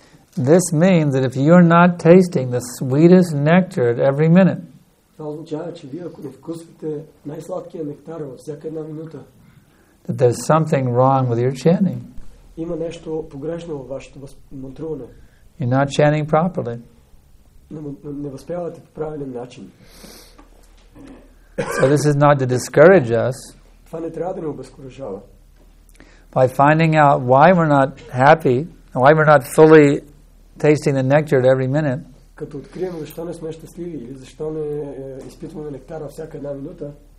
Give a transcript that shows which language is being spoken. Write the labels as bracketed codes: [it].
[en] This means that if you are not tasting the sweetest nectar at every minute, [bg] това означава, че вие ако не вкусвате най-сладкия нектар във всяка една минута, [en] that there's something wrong with your chanting. [bg] Има нещо погрешно във вашето мантруване. [en] You're not chanting properly. [bg] Не възпявате по правилен начин. [en] So this is not to discourage us. [bg] Това не трябва да ни обезкуражава. [en] By finding out why we're not happy, why we're not fully tasting the nectar at every minute, [bg] като откриваме защо не сме щастливи или защо не изпитваме нектара всяка една минута.